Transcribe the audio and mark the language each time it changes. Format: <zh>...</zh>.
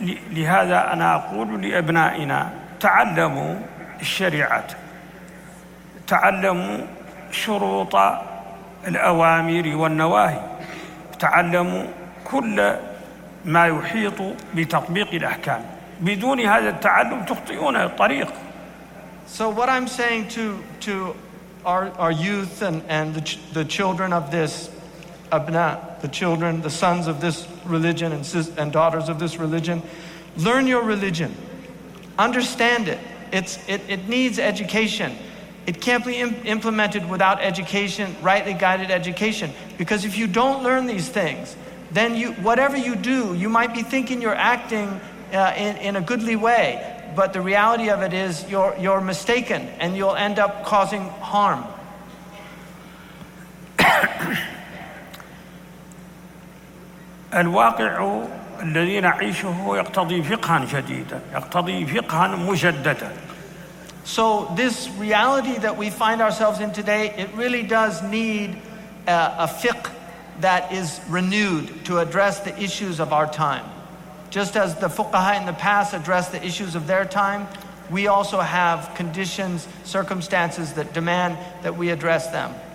<ar>لهذا أنا أقول لأبنائنا تعلموا الشريعة تعلموا شروط الأوامر والنواهي تعلموا كل ما يحيط بتطبيق الأحكام بدون هذا التعلم تخطئون الطريق.</ar> <en>So what I'm saying to our youth and the children of this abna, the children, the sons of this religion and daughters of this religion, learn your religion, understand it. It needs education. It can't be implemented without education, rightly guided education. Because if you don't learn these things, then you, whatever you do, you might be thinking you're acting in a goodly way, but the reality of it is you're mistaken, and you'll end up causing harm.</en> <ar>الواقع الذي نعيشه يقتضي فقهاً جديداً، يقتضي فقهاً مجدداً.</ar> <en>So this reality that we find ourselves in today, it really does need a fiqh that is renewed to address the issues of our time. Just as the fuqaha in the past addressed the issues of their time, we also have conditions, circumstances that demand that we address them.</en>